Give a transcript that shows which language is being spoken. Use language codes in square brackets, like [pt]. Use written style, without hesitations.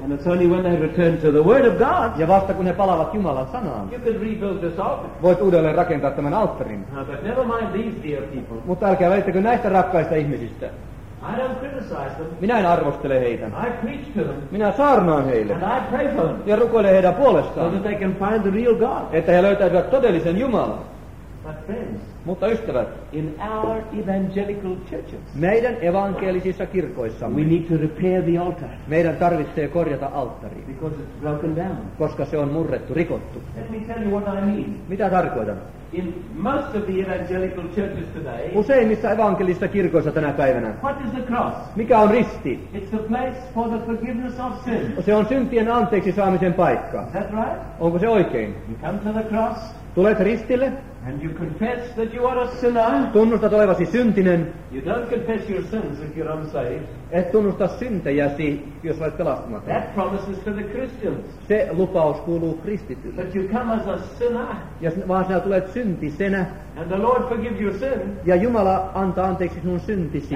[en] And it's only when they return to the word of God. [fi] Ja vasta kun he palaavat Jumalan sanaan. [en] You can rebuild this altar. [fi] Voit uudelleen rakentaa tämän alttarin. [en] No, but never mind these dear people. [fi] Mutta älkää välittäkö näistä rakkaista ihmisistä. [en] I don't criticize them. [fi] Minä en arvostele heitä. [en] I preach to them. [fi] Minä saarnaan heille. [en] And I pray for them. [fi] Ja rukoilen heidän puolestaan. [en] So that they can find the real God. [fi] Että he löytäisivät todellisen Jumalan. [en] But friends. [fi] Mutta ystävät, [en] in our evangelical churches, [fi] meidän evankelisissa kirkoissamme, [en] we need to repair the altar. [fi] Meidän tarvitsee korjata alttari, [en] because it's broken down. [fi] Koska se on murrettu, rikottu. [en] Let me tell you what I mean. [fi] Mitä tarkoitan? [en] In most of the evangelical churches today, [fi] useimmissa evankelisissa kirkoissa tänä päivänä, [en] what is the cross? [fi] Mikä on risti? [en] It's the place for the forgiveness of sin. [fi] Se on syntien anteeksi saamisen paikka. [en] Is that right? [fi] Onko se oikein? [en] You come to the cross. [fi] Tulet ristille. [en] And you confess that you are a sinner. [fi] Tunnustat olevasi syntinen. [en] You don't confess your sins if you're unsaved. [fi] Et tunnusta syntejäsi, jos olet pelastumaton. [en] That promises to the Christians. [fi] Se lupaus kuuluu kristitylle. [en] But you come as a sinner. [fi] Ja vaan sinä tulet syntisenä. [en] And the Lord forgives your sin. [fi] Ja Jumala antaa anteeksi sinun syntisi.